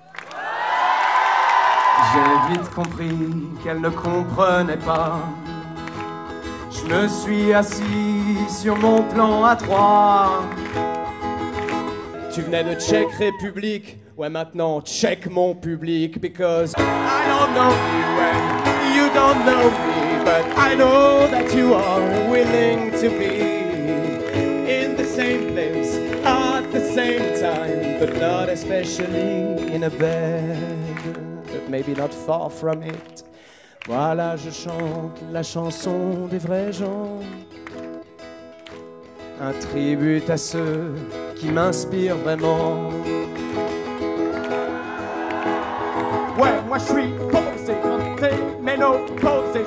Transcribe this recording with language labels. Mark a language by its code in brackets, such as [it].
[fr] J'ai vite compris qu'elle ne comprenait pas. Je me suis assis sur mon plan A3. Tu venais de Tchèque République. Ouais, maintenant check mon public. [en] Because I don't know you, you don't know me, but I know that you are willing to be in the same place at the same time, but not especially in a bed. Maybe not far from it. [fr] Voilà, je chante la chanson des vrais gens. Un tribute à ceux qui m'inspirent vraiment. Ouais, moi je suis posé, monté, ménopausé.